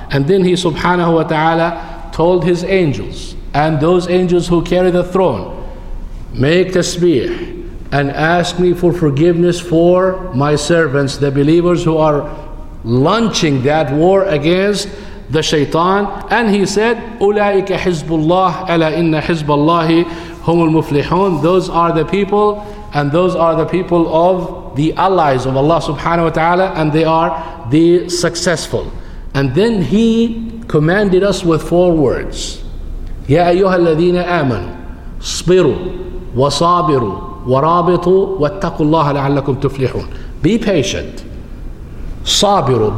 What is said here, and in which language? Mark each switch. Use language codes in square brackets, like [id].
[en] And then He subhanahu wa ta'ala told His angels and those angels who carry the throne, make tasbih and ask me for forgiveness for my servants, the believers who are launching that war against the shaitan. And He said, [ar] أُولَٰئِكَ حِزْبُ اللَّهِ أَلَا إِنَّ حِزْبَ اللَّهِ هُمُ الْمُفْلِحُونَ. [en] Those are the people, and those are the people of the allies of Allah subhanahu wa ta'ala, and they are the successful. And then He commanded us with four words. [ar] يَا أَيُّهَا الَّذِينَ آمَنُوا صبروا وصابروا ورابطوا واتقوا الله لعلكم تفلحون. [en] Be patient. [ar] صابروا.